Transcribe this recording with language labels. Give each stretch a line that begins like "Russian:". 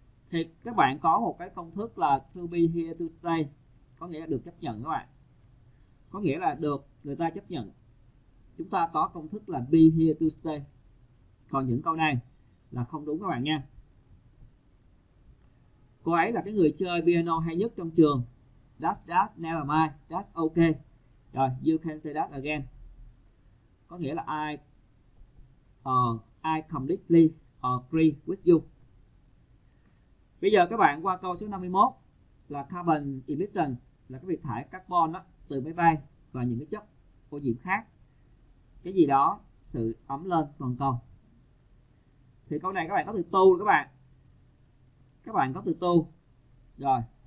Vietnamese: Thì các bạn có một cái công thức là
English: to be here to stay,
Vietnamese: có nghĩa là được chấp nhận các bạn. Có nghĩa là được người ta chấp nhận. Chúng ta có công thức là
English: be here to stay.
Vietnamese: Còn những câu này là không đúng các bạn nha. Cô ấy là cái người chơi piano hay nhất trong trường.
English: That's never mind. That's okay. Rồi, you can say that again.
Vietnamese: Có nghĩa là
English: I completely agree with you.
Vietnamese: Bây giờ các bạn qua câu số 51 là carbon emissions là cái việc thải carbon đó, từ máy bay và những cái chất ô nhiễm khác. Cái gì đó sự ấm lên toàn cầu. Thì câu này các bạn có từ to các bạn. Các bạn có từ to. Rồi.